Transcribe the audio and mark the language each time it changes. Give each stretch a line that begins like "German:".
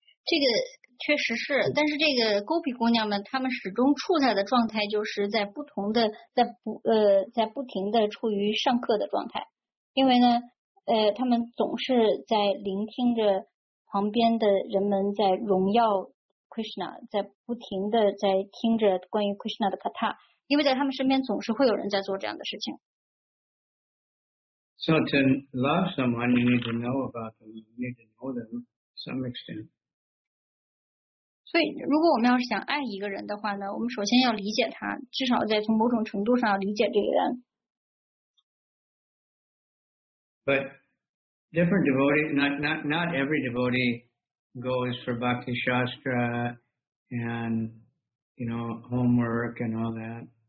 Chinese: 这个确实是，但是这个勾比姑娘们，她们始终处在的状态，就是在不同的，在不停的处于上课的状态，因为呢，她们总是在聆听着旁边的人们在荣耀 Krishna， 在不停的在听着关于 Krishna 的 katha， 因为在她们身边总是会有人在做这样的事情。
English: So to love someone, you need to know about them. You need to know them to some extent.
Chinese: 所以，如果我们要是想爱一个人的话呢，我们首先要理解他，至少在从某种程度上理解这个人。
English: But different devotees, not every devotee goes for bhakti shastra and you know homework and all that.